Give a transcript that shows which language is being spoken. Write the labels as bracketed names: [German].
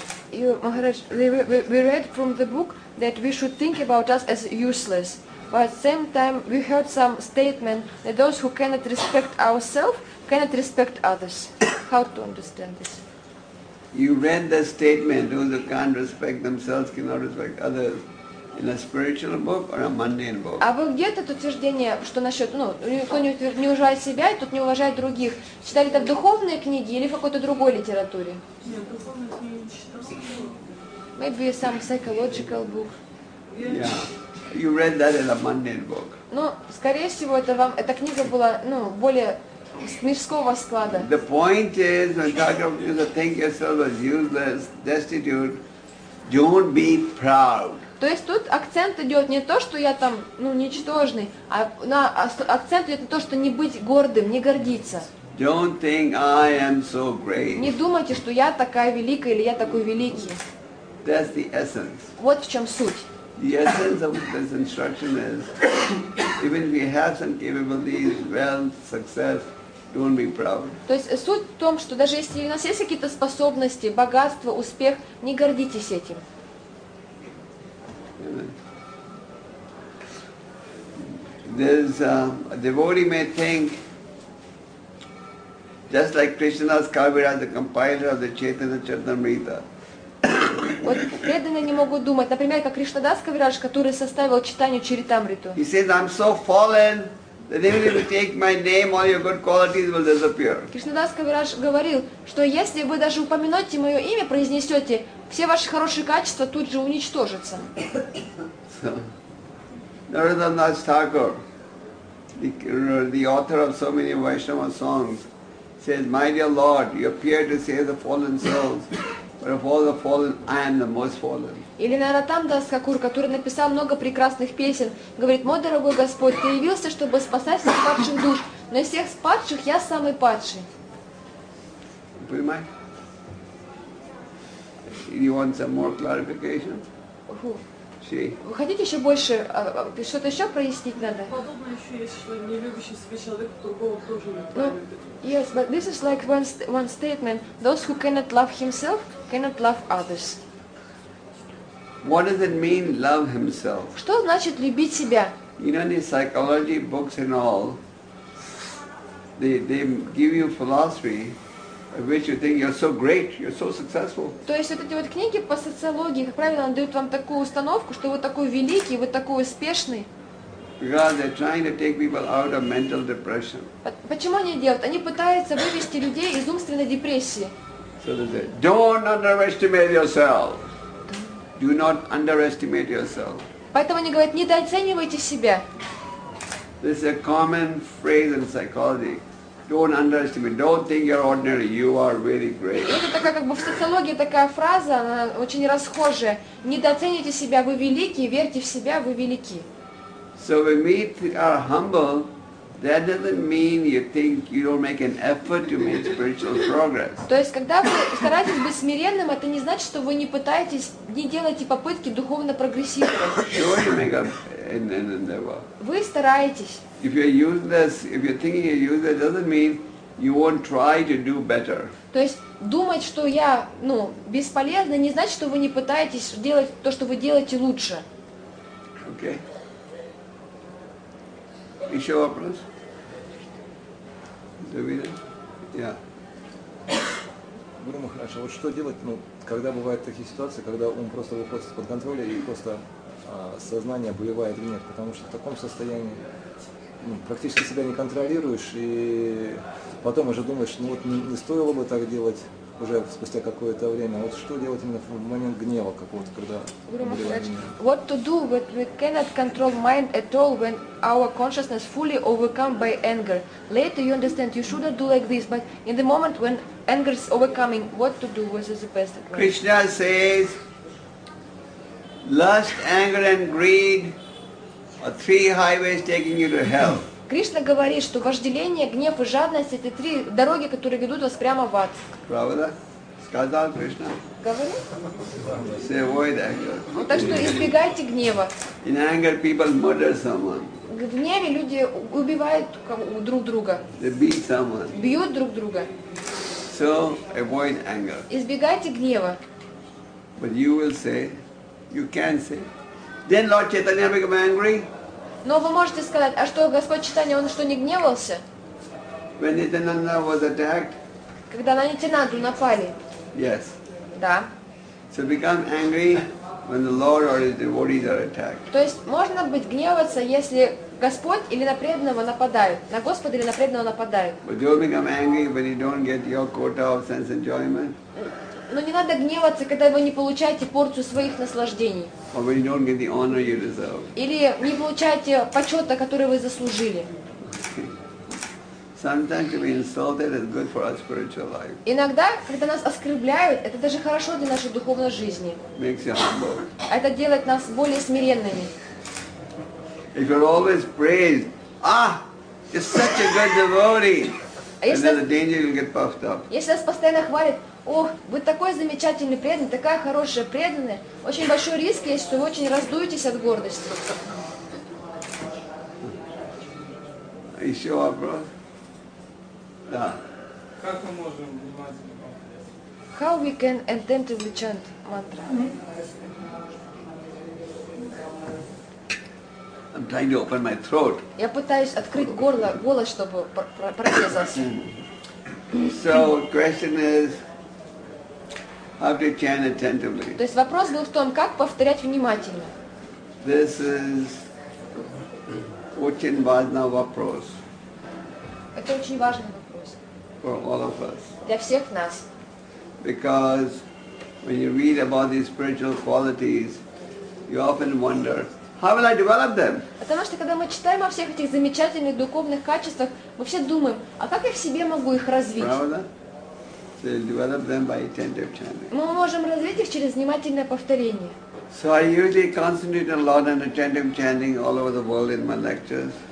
[English] You, Maharaj, we read from the book that we should think about us as useless. But at the same time, we heard some statement that those who cannot respect ourselves cannot respect others. How to understand this? You read the statement, those who can't respect themselves cannot respect others. in a spiritual book or a mundane book? [Russian] А вы где это утверждение, что насчет, ну, никто не уважает себя и тут не уважает других? Читали это в духовной книге или в какой-то другой литературе? Нет, духовной книге читал. [English] Maybe some psychological book. Yeah, you read that in a mundane book. [Russian] Ну, скорее всего, это вам эта книга была, ну, более мирского склада. [English] The point is, when talking to think yourself as useless, destitute, don't be proud. [Russian] То есть тут акцент идет не то, что я там, ну, ничтожный, а на акцент идет на то, что не быть гордым, не гордиться. [English] Don't think I am so great. [Russian] Не думайте, что я такая великая или я такой великий. [English] That's the essence. [Russian] Вот в чем суть. [English] The essence of this instruction is, even if we have some capabilities, wealth, success, don't be proud. [Russian] То есть суть в том, что даже если у нас есть какие-то способности, богатство, успех, не гордитесь этим. [English] There's a devotee may think, just like Krishna's Kaviraj, the compiler of the Chaitanya Charitamrita. [Russian] Вот преданные не могут думать, например, как Кришнадас Кавираш, который составил читанию Чаритамриту. [English] He says, I'm so fallen that even if you take my name, all your good qualities will disappear. [Russian] Кришнадас Кавираш говорил, что если вы даже упомянете мое имя, произнесете, все ваши хорошие качества тут же уничтожатся. [English] Narottam Das Thakur, the author of so many Vaishnava songs, says, my dear Lord, you appear to save the fallen souls. But of all the fallen, I am the most fallen. [Russian] Или Наратам Дас Хакур, который написал много прекрасных песен, говорит, мой дорогой Господь, ты явился, чтобы спасать всех падших душ, но из всех падших я самый падший. Понимаете? [English] You want some more clarification? [Russian] Вы хотите еще больше, что-то еще прояснить надо? Подобное еще есть, что не любящий себя человек другого тоже не правит. [English] Yes, but this is like one statement. Those who cannot love himself, cannot love others. What does it mean, love himself? [Russian] Что значит любить себя? [English] You know, in the psychology books and all, they give you philosophy. I wish you think you're so great, you're so successful. [Russian] То есть вот эти вот книги по социологии, как правило, дают вам такую установку, что вы такой великий, вы такой успешный. [English] Because they're trying to take people out of mental depression. [Russian] Почему они делают? Они пытаются вывести людей из умственной депрессии. [English] So they say, don't underestimate yourself. Do not underestimate yourself. [Russian] Поэтому они говорят, недооценивайте себя. [English] This is a common phrase in psychology. Don't underestimate. Don't think you're ordinary. You are really great. [Russian] Это такая как бы в социологии такая фраза, она очень расхожая. Недооцените себя, вы великие. Верьте в себя, вы велики. [English] So when we are humble, that doesn't mean you think you don't make an effort to make spiritual progress. [Russian] То есть когда вы стараетесь быть смиренным, это не значит, что вы не пытаетесь, не делаете попытки духовно прогрессировать. [English] Sure, you make an endeavor. [Russian] Вы стараетесь. [English] If you're useless, if you're thinking you're useless, doesn't mean you won't try to do better. [Russian] То есть думать, что я, ну, бесполезна, не значит, что вы не пытаетесь делать то, что вы делаете лучше. [English] Okay. [Russian] Еще вопрос? Давида? [English] Yeah. [Russian] Гуру Махарадж, а вот что делать, ну, когда бывают такие ситуации, когда ум просто выходит из-под контроля и просто сознание выливает гнев, потому что в таком состоянии практически себя не контролируешь, и потом уже думаешь, ну вот не стоило бы так делать уже спустя какое-то время. Вот что делать именно в момент гнева какого-то, когда [English] what to do when we cannot control mind at all when our consciousness fully overcome by anger? Later you understand you shouldn't do like this, but in the moment when anger is overcoming, what to do, what is the best advice? Krishna says lust, anger and greed are three highways taking you to hell. [Russian] Кришна говорит, что вожделение, гнев и жадность — это три дороги, которые ведут вас прямо в ад. Правда? Сказал Кришна. Говорит? [English] Say avoid anger. [Russian] Ну, так что избегайте гнева. [English] In anger people murder someone. [Russian] В гневе люди убивают друг друга. [English] They beat someone. [Russian] Бьют друг друга. [English] So avoid anger. [Russian] Избегайте гнева. [English] But you will say, you can say, then Lord Chaitanya become angry? [Russian] Но вы можете сказать, а что, Господь Читания, он что, не гневался? [English] When Nityananda was attacked? [Russian] Когда на Нитинанду напали? [English] Yes. [Russian] Да. [English] So become angry, when the Lord or his devotees are attacked. [Russian] То есть можно быть гневаться, если Господь или на преданного нападают, на Господа или на преданного нападают. [English] But don't become angry when you don't get your quota of sense enjoyment. [Russian] Но не надо гневаться, когда вы не получаете порцию своих наслаждений. [English] Or when you don't get the honor you deserve. [Russian] Или не получаете почета, который вы заслужили. [English] Sometimes to be insulted is good for our spiritual life. [Russian] Иногда, когда нас оскорбляют, это даже хорошо для нашей духовной жизни. [English] Makes you humble. [Russian] Это делает нас более смиренными. [English] If you're always praised, you're such a good devotee. And then the danger you'll get puffed up. [Russian] Если нас постоянно хвалят, ох, вы такой замечательный преданный, такая хорошая преданная, очень большой риск есть, что вы очень раздуетесь от гордости. Еще вопрос? Да. Как мы можем внимательно? [English] How we can attentively chant mantra? I'm trying to open my throat. [Russian] Я пытаюсь открыть горло, голос, чтобы прорезался. [English] So question is, how to chant attentively? [Russian] То есть вопрос был в том, как повторять внимательно. [English] This is [Russian] очень важный вопрос. Это очень важный вопрос. [English] For all of us. [Russian] Для всех нас. [English] Because when you read about these spiritual qualities, you often wonder, how will I develop them? [Russian] Потому что когда мы читаем о всех этих замечательных духовных качествах, мы все думаем, а как я в себе могу их развить? Правда? [English] So you develop them by attentive chanting. [Russian] Мы можем развить их через внимательное повторение. [English] So I usually concentrate a lot on attentive chanting all over the world in my lectures.